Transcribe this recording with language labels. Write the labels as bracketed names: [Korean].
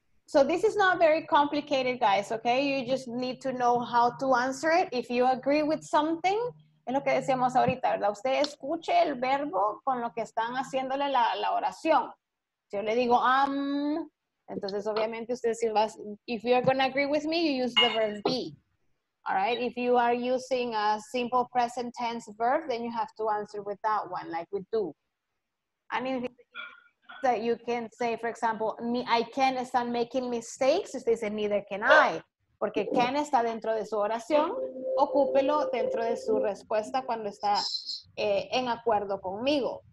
[English] So this is not very complicated, guys, okay? You just need to know how to answer it. If you agree with something, [Spanish] es lo que decíamos ahorita, ¿verdad? Usted escuche el verbo con lo que están haciéndole la oración. Si yo le digo, entonces obviamente usted si va, [English] if you are going to agree with me, you use the verb be. All right, if you are using a simple present tense verb, then you have to answer with that one, like we do. And if that you can say, for example, me, I can't stand making mistakes, [Spanish] usted dice, [English] neither can I. [Spanish] Porque can está dentro de su oración, ocúpelo dentro de su respuesta cuando está en acuerdo conmigo.